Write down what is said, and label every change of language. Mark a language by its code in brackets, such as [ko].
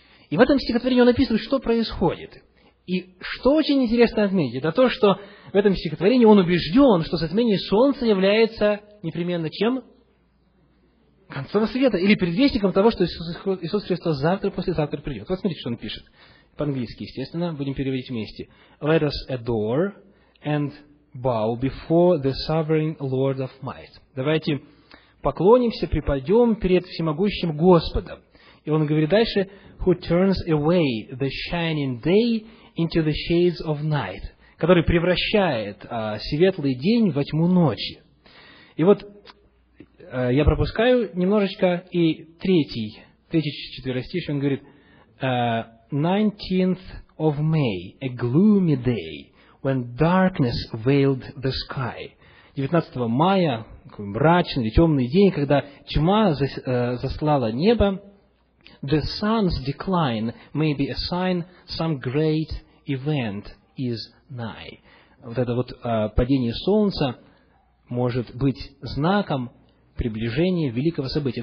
[ru] И в этом стихотворении он описывает, что происходит. И что очень интересно отметить, это то, что в этом стихотворении он убежден, что затмение солнца является непременно чем? Концом света или предвестником того, что Иисус Христос завтра, послезавтра придет. Вот смотрите, что он пишет. По-английски, естественно, будем переводить вместе. [en] Let us adore and bow before the sovereign Lord of might. [ru] Давайте поклонимся, припадем перед всемогущим Господом. И он говорит дальше. [en] Who turns away the shining day into the shades of night. [ru] Который превращает светлый день во тьму ночи. И вот я пропускаю немножечко, и третий четверостиш, он говорит, [en] 19th of May, a gloomy day, when darkness veiled the sky. [ru] 19 мая, такой мрачный, темный день, когда тьма заслала небо, [en] the sun's decline may be a sign some great event is nigh. [ru] Вот это вот падение солнца может быть знаком приближения великого события.